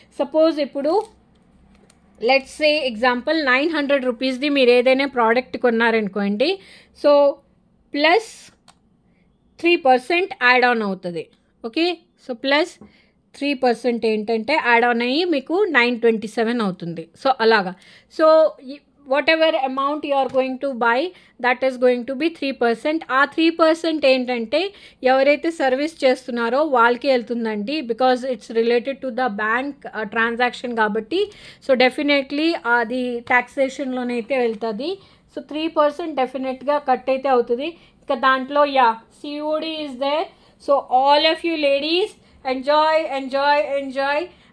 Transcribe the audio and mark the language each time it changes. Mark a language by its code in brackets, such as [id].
[te] Suppose ఇప్పుడు let's say example 900 మీరు ఏదైనా product కొన్నారనుకోండి, so plus 3% add on అవుతుంది. ఓకే, సో ప్లస్ 3% ఏంటంటే యాడ్ ఆన్ అయ్యి మీకు 927 అవుతుంది. సో అలాగా, [en] So whatever amount you are going to buy, that is going to be 3%. [te] ఆ 3% ఏంటంటే ఎవరైతే సర్వీస్ చేస్తున్నారో వాళ్ళకి వెళ్తుందండి, [en] because it's related to the bank transaction [te] కాబట్టి. సో డెఫినెట్లీ అది ట్యాక్సేషన్లోనైతే వెళ్తుంది, సో 3% డెఫినెట్గా కట్ అయితే అవుతుంది. ఇంకా దాంట్లో [en] Yeah COD is there. So all of you ladies enjoy enjoy enjoy.